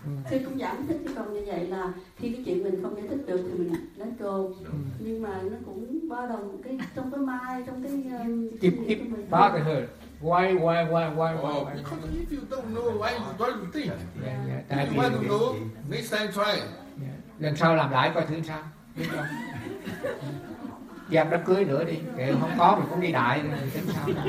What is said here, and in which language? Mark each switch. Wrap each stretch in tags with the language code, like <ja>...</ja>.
<vi>Thì cũng giải thích cho con như vậy là khi cái chuyện mình không giải thích được thì mình</vi> <en>let go.</en> <vi>Nhưng mà nó cũng ba đồng cái trong cái mai, trong cái...</vi> <en>Keep bothered. Why? Oh, because if you don't know, why you don't think? Yeah. If you want to know, next time try. Yeah.</en> <vi>Lần sau làm lại coi thử sao. Đi ăn đám cưới nữa đi, kệ không có mình cũng đi đại rồi tính sao.</vi>